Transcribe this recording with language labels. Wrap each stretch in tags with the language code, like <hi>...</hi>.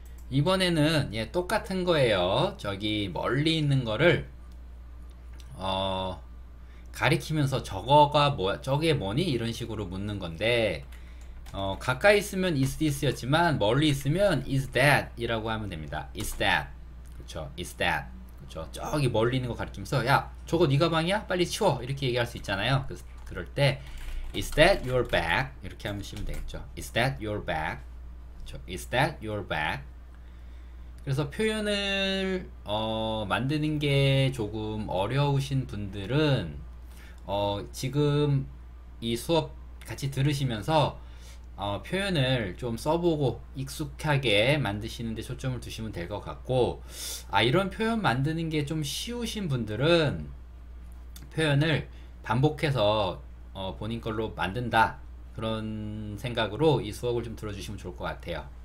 <ko>이번에는 예, 똑같은 거예요. 저기 멀리 있는 거를 가리키면서 저거가 뭐야, 저게 뭐니? 이런 식으로 묻는 건데, 가까이 있으면 is this였지만 멀리 있으면 is that 이라고 하면 됩니다. is that. 그쵸, is that. 그쵸, 저기 멀리 있는 거 가리키면서, 야, 저거 네 가방이야? 빨리 치워. 이렇게 얘기할 수 있잖아요. 그럴 때,</ko> <en>is that your bag?</en> <ko>이렇게 하시면 되겠죠.</ko> <en>is that your bag?</en> <ko>그쵸,</ko> <en>is that your bag?</en> <ko>그래서 표현을, 만드는 게 조금 어려우신 분들은, 지금 이 수업 같이 들으시면서, 표현을 좀 써보고 익숙하게 만드시는 데 초점을 두시면 될것 같고, 아, 이런 표현 만드는 게좀 쉬우신 분들은 표현을 반복해서 본인 걸로 만든다, 그런 생각으로 이 수업을 좀 들어주시면 좋을 것 같아요.</ko>